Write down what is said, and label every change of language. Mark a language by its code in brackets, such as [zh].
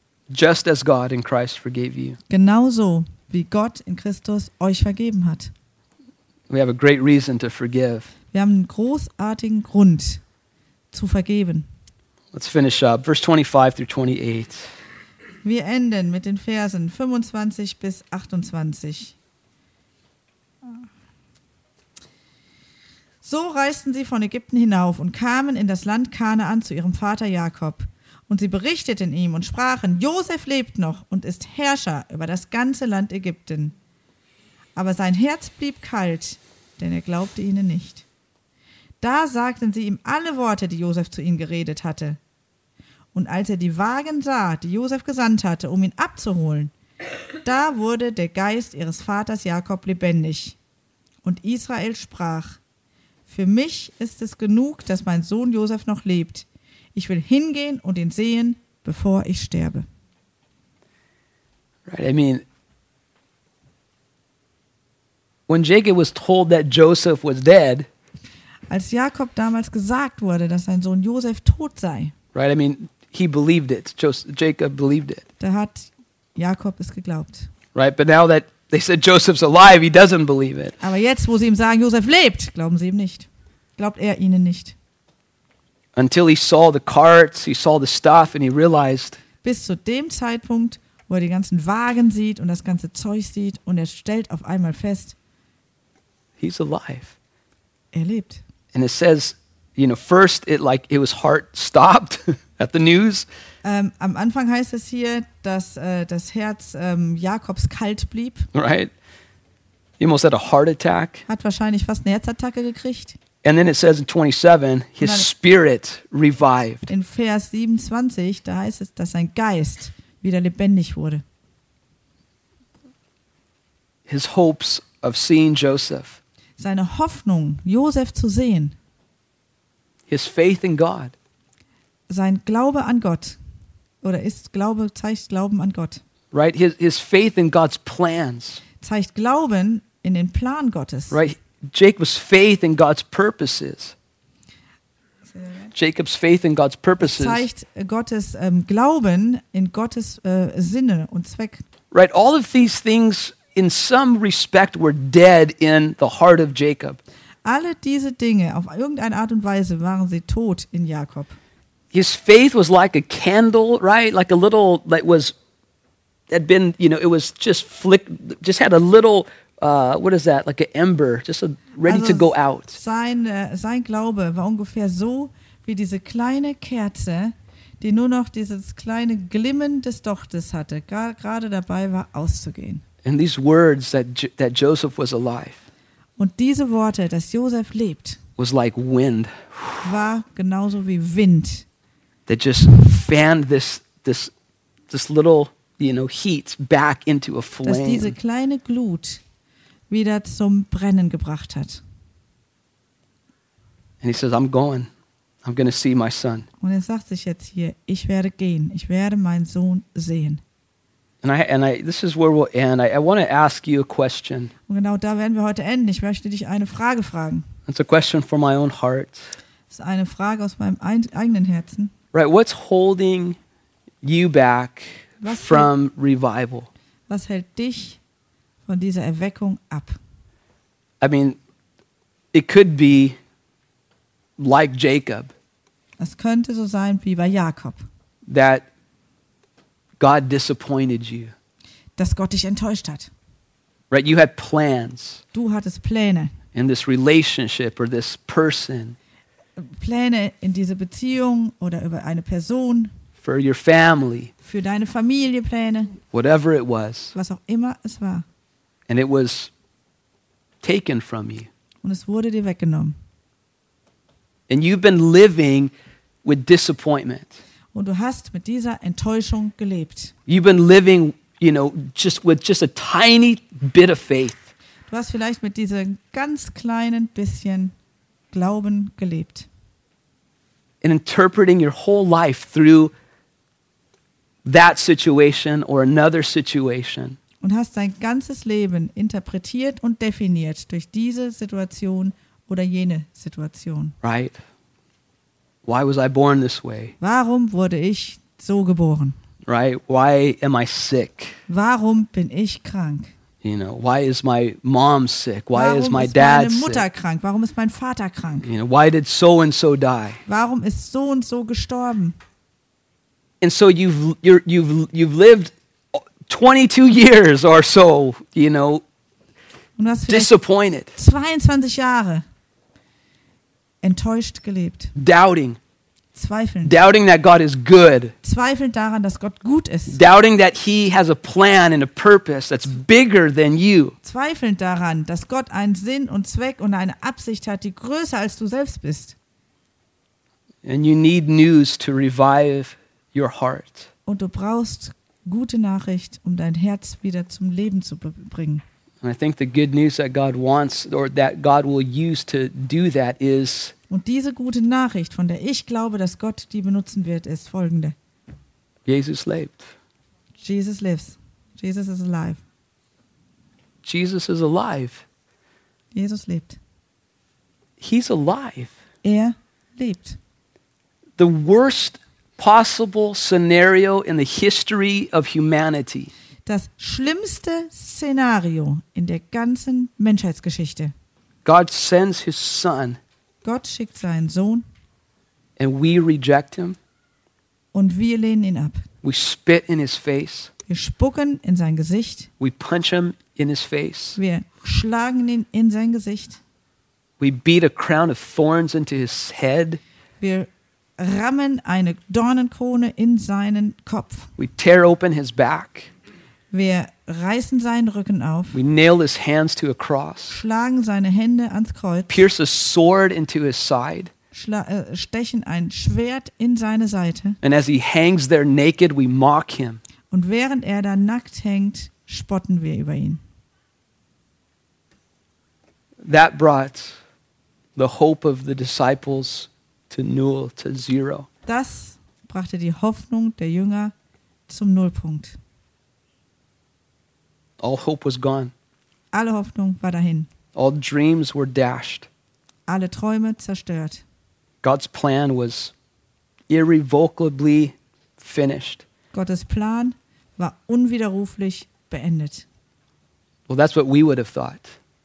[en] Just as God in Christ forgave you. [de] Genauso wie Gott in Christus euch vergeben hat. [en] We have a great reason to forgive. [de] Wir haben einen großartigen Grund zu vergeben. [en] Let's finish up. Verse 25 through 28. [de] Wir enden mit den Versen 25 bis 28. So reisten sie von Ägypten hinauf und kamen in das Land Kanaan zu ihrem Vater Jakob. Und sie berichteten ihm und sprachen, Josef lebt noch und ist Herrscher über das ganze Land Ägypten. Aber sein Herz blieb kalt, denn er glaubte ihnen nicht. Da sagten sie ihm alle Worte, die Josef zu ihnen geredet hatte. Und als er die Wagen sah, die Josef gesandt hatte, um ihn abzuholen, da wurde der Geist ihres Vaters Jakob lebendig. Und Israel sprach, für mich ist es genug, dass mein Sohn Josef noch lebt. Ich will hingehen und ihn sehen, bevor ich sterbe. [en] Right, I mean, when Jacob was told that Joseph was dead, [de] als Jakob damals gesagt wurde, dass sein Sohn Josef tot sei, [en] right, I mean, he believed it. Jacob believed it. [de] Da hat Jakob es geglaubt. [en] Right, but now that they said Joseph's alive, he doesn't believe it. [de] Aber jetzt, wo sie ihm sagen, Josef lebt, glauben sie ihm nicht. Glaubt er ihnen nicht. [en] Until he saw the carts, he saw the stuff and he realized. [de] Bis zu dem Zeitpunkt, wo er die ganzen Wagen sieht und das ganze Zeug sieht und er stellt auf einmal fest, [en] he's alive. [de] Er lebt. [en] And it says, you know, first it like it was heart stopped at the news. [de] Am Anfang heißt es hier, dass das Herz Jakobs kalt blieb. [en] Right. He almost had a heart attack. [de] Hat wahrscheinlich fast eine Herzattacke gekriegt. [en] And then it says in 27, his spirit revived. [de] In Vers 27, da heißt es, dass sein Geist wieder lebendig wurde. [en] His hopes of seeing Joseph. [de] Seine Hoffnung, Josef zu sehen. [en] His faith in God. [de] sein Glaube an Gott oder ist Glaube zeigt Glauben an Gott. [en] Right, his faith in God's plans. [de] Zeigt Glauben in den Plan Gottes. [en] Right, Jacob's faith in God's purposes. Jacob's faith in God's purposes. [de] Zeigt Gottes Glauben in Gottes Sinne und Zweck. [en] Right, all of these things in some respect were dead in the heart of Jacob. [de] Alle diese Dinge auf irgendeine Art und Weise waren sie tot in Jakob. [en] His faith was like a candle, right? Like a little that was had been, you know, it was just flicked, just had a little what is that? Like an ember, just a, ready also to go out. [de] Sein Glaube war ungefähr so wie diese kleine Kerze, die nur noch dieses kleine Glimmen des Dochtes hatte, gerade dabei war auszugehen. [en] And these words that Joseph was alive. [de] Und diese Worte, dass Joseph lebt, [en] was like wind. [de] War genauso wie Wind. [en] That just fanned this little, you know, heat back into a flame. [de] Dass diese kleine Glut wieder zum Brennen gebracht hat. [en] And he says, I'm going. I'm going to see my son. [de] Und sagt sich jetzt hier, ich werde gehen. Ich werde meinen Sohn sehen. [en] And I this is where we'll end. I want to ask you a question. [de] Und genau da werden wir heute enden. Ich möchte dich eine Frage fragen. [en] It's a question for my own heart. [de] Das ist eine Frage aus meinem eigenen Herzen. [en] Right, what's holding you back from revival? [de] Was hält dich von dieser Erweckung ab? [en] I mean, it could be like Jacob. [de] Es könnte so sein wie bei Jakob. [en] That God disappointed you. [de] Dass Gott dich enttäuscht hat. [en] Right, you had plans. [de] Du hattest Pläne. [en] In this relationship or this person. [de] Pläne in diese Beziehung oder über eine Person. [en] For your family. [de] Für deine Familie Pläne. [en] Whatever it was. [de] Was auch immer es war. [en] And it was taken from you. [de] Und es wurde dir weggenommen. [en] And you've been living with disappointment. [de] Und du hast mit dieser Enttäuschung gelebt. [en] You've been living, you know, just with just a tiny bit of faith. [de] Du hast vielleicht mit diesem ganz kleinen bisschen Glauben gelebt. [en] In interpreting your whole life through that situation or another situation. [de] Und hast dein ganzes Leben interpretiert und definiert durch diese Situation oder jene Situation. [en] Right. Why was I born this way? [de] Warum wurde ich so geboren? [en] Right. Why am I sick? [de] Warum bin ich krank? [en] You know, why is my mom sick? Why [de] warum [en] is my dad sick? [de] Warum ist meine Mutter krank? Warum ist mein Vater krank? [en] You know, why did so and so die? [de] Warum ist so und so gestorben? [en] And so you've lived 22 years or so, you know, [de] und hast [en] disappointed. [de] 22 Jahre. Enttäuscht gelebt. [en] Doubting. [de] Zweifeln. [en] Doubting that God is good. [de] Zweifeln daran, dass Gott gut ist. [en] Doubting that he has a plan and a purpose that's bigger than you. [de] Zweifeln daran, dass Gott einen Sinn und Zweck und eine Absicht hat, die größer als du selbst bist. [en] And you need news to revive your heart. [de] Und du brauchst gute Nachricht, um dein Herz wieder zum Leben zu bringen. [en] And I think the good news that God wants or that God will use to do that is. [de] Und diese gute Nachricht, von der ich glaube, dass Gott die benutzen wird, ist folgende. Jesus lebt. [en] Jesus lives. Jesus is alive. Jesus is alive. [de] Jesus lebt. [en] He's alive. [de] Er lebt. [en] The worst possible scenario in the history of humanity. [de] Das schlimmste Szenario in der ganzen Menschheitsgeschichte. [en] God sends his son. [de] Gott schickt seinen Sohn. [en] And we reject him. [de] Und wir lehnen ihn ab. [en] We spit in his face. [de] Wir spucken in sein Gesicht. [en] We punch him in his face. [de] Wir schlagen ihn in sein Gesicht. [en] We beat a crown of thorns into his head. [de] Wir rammen eine Dornenkrone in seinen Kopf. [en] We tear open his back. [de] Wir reißen seinen Rücken auf. [en] We nail his hands to a cross. [de] Schlagen seine Hände ans Kreuz. [en] Pierce a sword into his side. [de] Stechen ein Schwert in seine Seite. [en] And as he hangs there naked, we mock him. [de] Und während er da nackt hängt, spotten wir über ihn. [en] That brought the hope of the disciples to null, to zero. [de] Das brachte die Hoffnung der Jünger zum Nullpunkt. [en] All hope was gone. [de] Alle Hoffnung war dahin. [en] All dreams were dashed. [de] Alle Träume zerstört. [en] God's plan was irrevocably finished. [de] Gottes Plan war unwiderruflich beendet. [en] Well, that's what we would have thought.